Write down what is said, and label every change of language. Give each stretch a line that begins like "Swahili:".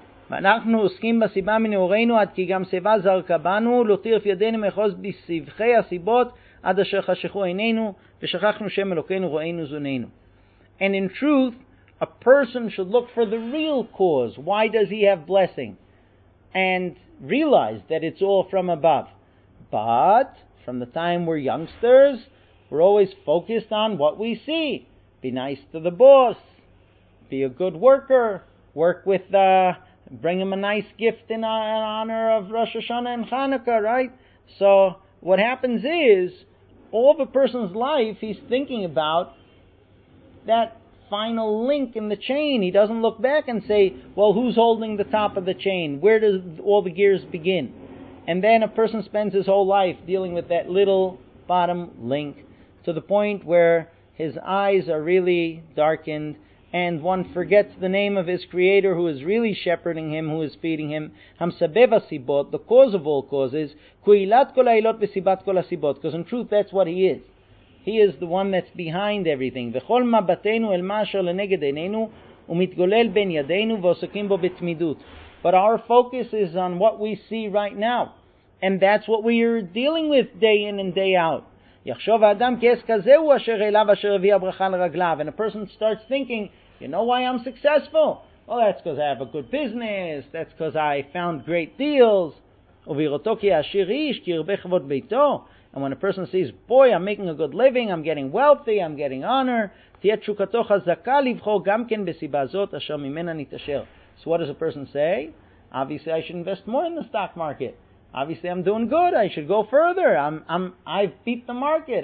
Hebrew: ואנחנו עוסקים בסיבה מנעורנו עד כי גם סיבה זרקה בנו, לא תירף ידינו מחוז בסבכי הסיבות עד אשר חשכו עינינו ושכחנו שם אלוקנו רואינו זוננו.
English: And in truth, a person should look for the real cause. Why does he have blessing? And realize that it's all from above. But from the time we're youngsters, we're always focused on what we see. Be nice to the boss. Be a good worker. Work with, bring him a nice gift in honor of Rosh Hashanah and Hanukkah, right? So what happens is, all of a person's life, he's thinking about that final link in the chain. He doesn't look back and say, well, who's holding the top of the chain? Where does all the gears begin? And then a person spends his whole life dealing with that little bottom link to the point where his eyes are really darkened and one forgets the name of his creator who is really shepherding him, who is feeding him.
Hebrew: Hamsabev ha-sibot,
English: the cause of all causes,
Hebrew: ku'ilat kol ha'ilot v'sibat kol ha-sibot,
English: because in truth, that's what he is. He is the one that's behind everything.
Hebrew: וכל מבטנו אל מה אשר לנגד עינינו ומתגולל בין ידינו ועוסקים בו בתמידות.
English: But our focus is on what we see right now. And that's what we are dealing with day in and day out.
Hebrew: יחשוב האדם כי עסק הזה הוא אשר אליו אשר הביא הברכה לרגליו.
English: And a person starts thinking, you know why I'm successful? Well, that's because I have a good business. That's because I found great deals.
Hebrew: ובירותו כי עשיר איש כי הרבה כבוד ביתו.
English: And when a person sees, boy, I'm making a good living, I'm getting wealthy, I'm getting honor,
Hebrew: תהיה תשוקתו חזקה לבחור גם כן בסיבה זאת אשר ממנה נתעשר.
English: So what does a person say? Obviously, I should invest more in the stock market. Obviously, I'm doing good. I should go further. I've beat the market.